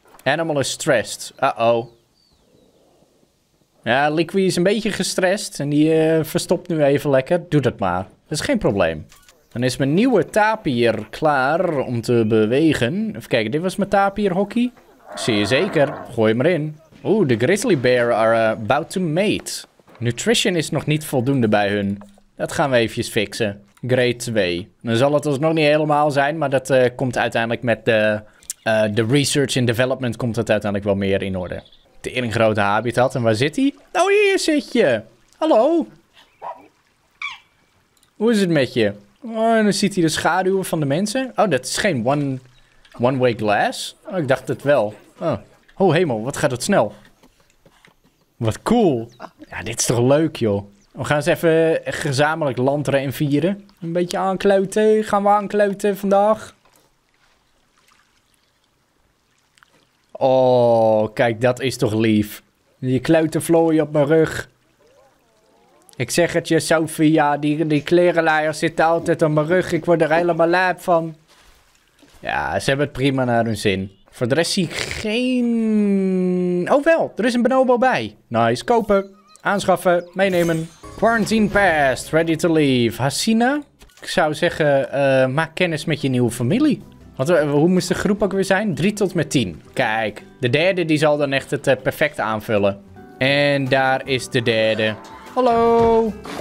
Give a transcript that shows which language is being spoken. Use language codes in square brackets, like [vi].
[en] Animal is stressed. Uh-oh. [nl] Ja, Liqui is een beetje gestrest. En die verstopt nu even lekker. Doe dat maar. Dat is geen probleem. Dan is mijn nieuwe tapir klaar om te bewegen. Even kijken, dit was mijn tapir hockey. Zie je zeker. Gooi hem erin. Oeh, de [en] grizzly bear are about to mate. [nl] Nutrition is nog niet voldoende bij hun. Dat gaan we eventjes fixen. Grade 2. Dan zal het alsnog niet helemaal zijn, maar dat komt uiteindelijk met de [en] research and development [nl] komt het uiteindelijk wel meer in orde. De een grote habitat. En waar zit hij? Oh, hier zit je. Hallo. Hoe is het met je? Oh, en dan ziet hij de schaduwen van de mensen. Oh, dat is geen one-way glass. Oh, ik dacht het wel. Oh. Oh, hemel. Wat gaat het snel. Wat cool. Ja, dit is toch leuk, joh. We gaan eens even gezamenlijk lanteren en vieren. Een beetje aankleuten. Gaan we aankleuten vandaag? Oh, kijk, dat is toch lief. Die kleutervlooi op mijn rug. Ik zeg het je, Sophia. Die klerenlaaier zit altijd op mijn rug. Ik word er helemaal lijp van. Ja, ze hebben het prima naar hun zin. Voor de rest zie ik geen... Oh wel, er is een bonobo bij. Nice, kopen. Aanschaffen, meenemen. [en] Quarantine passed, ready to leave. [nl] Hasina, ik zou zeggen, maak kennis met je nieuwe familie. Want hoe moest de groep ook weer zijn? 3 tot met 10. Kijk, de derde die zal dan echt het perfect aanvullen. En daar is de derde. Hallo.